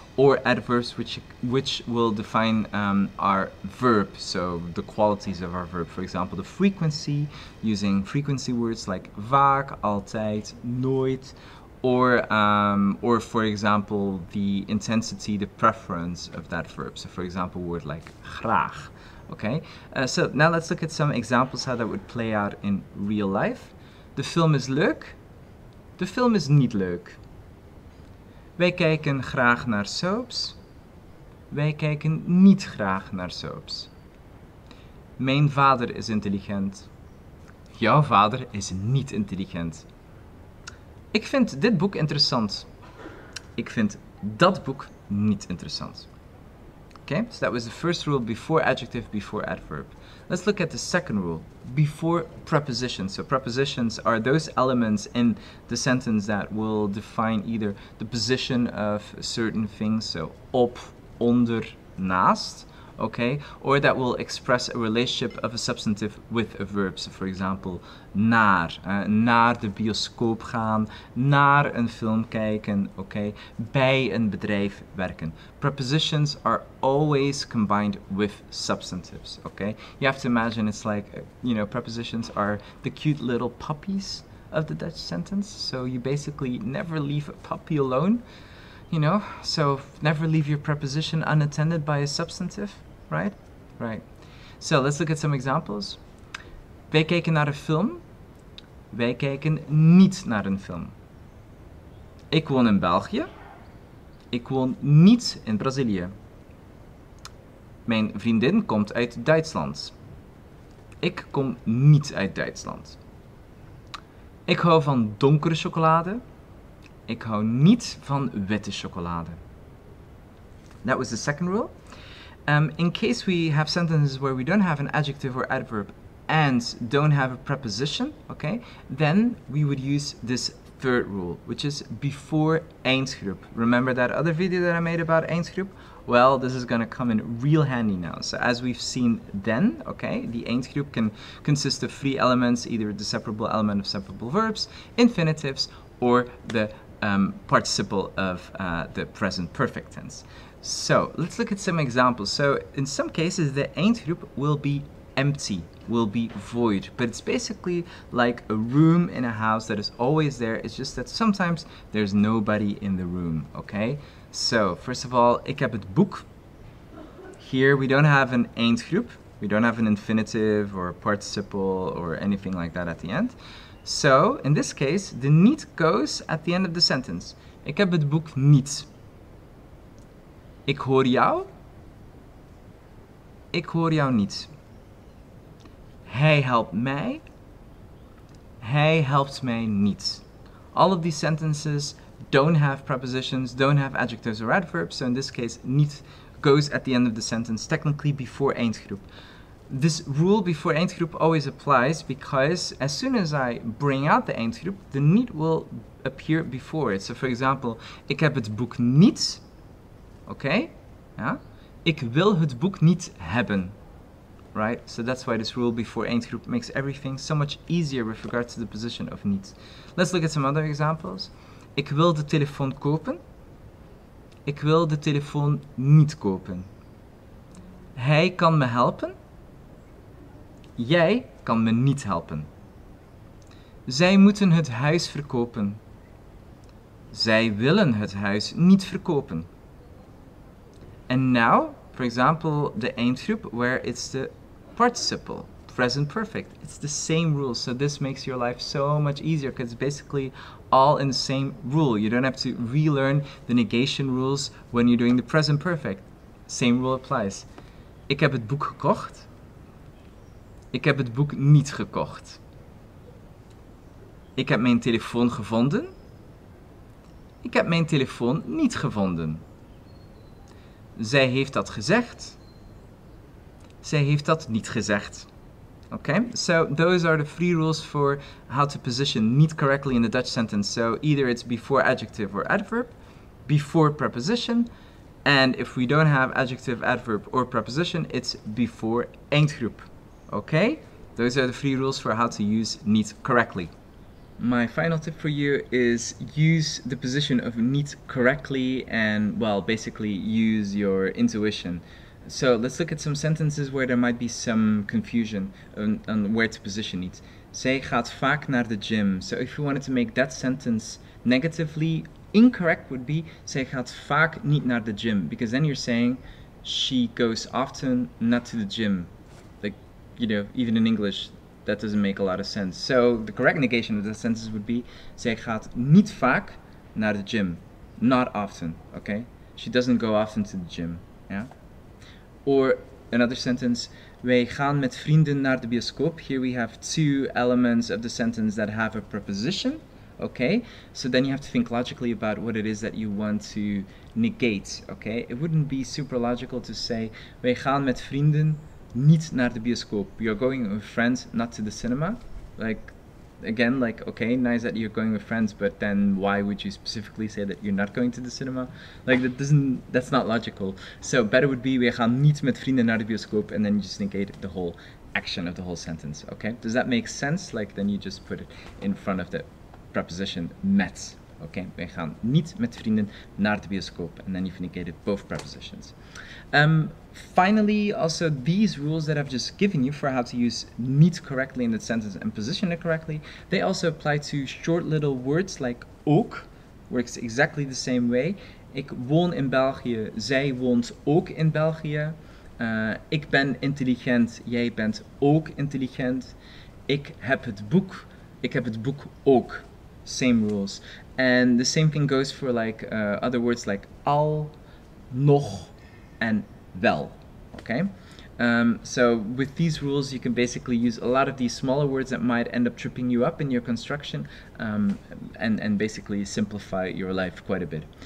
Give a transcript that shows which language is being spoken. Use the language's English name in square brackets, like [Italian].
[English] Or adverbs, which will define our verb, so the qualities of our verb. For example, the frequency, using frequency words like vaak, altijd, nooit, or for example, the intensity, the preference of that verb. So for example, a word like graag, okay? So now let's look at some examples how that would play out in real life. [Dutch] The film is leuk. The film is niet leuk. Wij kijken graag naar soaps. Wij kijken niet graag naar soaps. Mijn vader is intelligent. Jouw vader is niet intelligent. Ik vind dit boek interessant. Ik vind dat boek niet interessant. [English] Okay, so that was the first rule, before adjective, before adverb. Let's look at the second rule, before preposition. So prepositions are those elements in the sentence that will define either the position of certain things, so op, onder, naast, okay, or that will express a relationship of a substantive with a verb. So for example, naar, [Dutch] naar de bioscoop gaan, naar een film kijken, [English] okay, [Dutch] bij een bedrijf werken. [English] Prepositions are always combined with substantives, okay? You have to imagine it's like, you know, prepositions are the cute little puppies of the Dutch sentence. So you basically never leave a puppy alone. You know, so never leave your preposition unattended by a substantive, right? Right. So let's look at some examples. [Dutch] Wij kijken naar een film. Wij kijken niet naar een film. Ik woon in België. Ik woon niet in Brazilië. Mijn vriendin komt uit Duitsland. Ik kom niet uit Duitsland. Ik hou van donkere chocolade. Ik hou niet van witte chocolade. [English] That was the second rule. In case we have sentences where we don't have an adjective or adverb and don't have a preposition, okay, then we would use this third rule, which is before eindgroep. Remember that other video that I made about eindgroep? Well, this is going to come in real handy now. So as we've seen then, okay, the eindgroep can consist of three elements, either the separable element of separable verbs, infinitives, or the participle of the present perfect tense. So let's look at some examples. So in some cases, the eindgroep will be empty will be void. But it's basically like a room in a house that is always there. It's just that sometimes there's nobody in the room, okay? So, first of all, [Dutch] ik heb het boek. [English] Here we don't have an eindgroep. We don't have an infinitive or participle or anything like that at the end. So, in this case, the niet goes at the end of the sentence. [Dutch] Ik heb het boek niet. Ik hoor jou. Ik hoor jou niet. Hij helpt mij. Hij helpt mij niet. [English] All of these sentences don't have prepositions, don't have adjectives or adverbs. So in this case, niet goes at the end of the sentence, technically before eindgroep. This rule before eindgroep always applies because as soon as I bring out the eindgroep, the niet will appear before it. So for example, [Dutch] ik heb het boek niet. [English] Okay? Yeah? [Dutch] Ik wil het boek niet hebben. [English] Right? So that's why this rule before eindgroep makes everything so much easier with regards to the position of niet. Let's look at some other examples. [Dutch] Ik wil de telefoon kopen. Ik wil de telefoon niet kopen. Hij kan me helpen. Jij kan me niet helpen. Zij moeten het huis verkopen. Zij willen het huis niet verkopen. [English] And now, for example, the eindgroep where it's the participle, present perfect. It's the same rule. So this makes your life so much easier because it's basically all in the same rule. You don't have to relearn the negation rules when you're doing the present perfect. Same rule applies. [Dutch] Ik heb het boek gekocht. Ik heb het boek niet gekocht. Ik heb mijn telefoon gevonden. Ik heb mijn telefoon niet gevonden. Zij heeft dat gezegd. Zij heeft dat niet gezegd. [English] Okay, so those are the three rules for how to position niet correctly in the Dutch sentence. So either it's before adjective or adverb, before preposition, and if we don't have adjective, adverb, or preposition, it's before eindgroep. Okay, those are the three rules for how to use niet correctly. My final tip for you is use the position of niet correctly and, well, basically use your intuition. So let's look at some sentences where there might be some confusion on where to position niet. Zij gaat vaak naar de gym. So if you wanted to make that sentence negatively, incorrect would be [Dutch] zij gaat vaak niet naar de gym, [English] because then you're saying she goes often not to the gym. Like, you know, even in English, that doesn't make a lot of sense. So the correct negation of the sentence would be [Dutch] zij gaat niet vaak naar de gym. [English] Not often, okay? She doesn't go often to the gym, yeah? Or another sentence, [Dutch] wij gaan met vrienden naar de bioscoop. [English] Here we have two elements of the sentence that have a preposition, okay? So then you have to think logically about what it is that you want to negate, okay? It wouldn't be super logical to say, [Dutch] wij gaan met vrienden niet naar de bioscoop. [English] You're going with friends, not to the cinema. Like, again, like, okay, nice that you're going with friends, but then why would you specifically say that you're not going to the cinema? Like, that's not logical. So better would be, [Dutch] we gaan niet met vrienden naar de bioscoop, [English] and then you just negate the whole action of the whole sentence, okay? Does that make sense? Like, then you just put it in front of the preposition met, okay? [Dutch] We gaan niet met vrienden naar de bioscoop, [English] and then you've negated both prepositions. Finally, also these rules that I've just given you for how to use niet correctly in the sentence and position it correctly, they also apply to short little words like ook, works exactly the same way. [Dutch] Ik woon in België, zij woont ook in België. Ik ben intelligent, jij bent ook intelligent. Ik heb het boek ook. [English] Same rules. And the same thing goes for like other words like al, nog, and wel, okay? So with these rules, you can basically use a lot of these smaller words that might end up tripping you up in your construction and basically simplify your life quite a bit.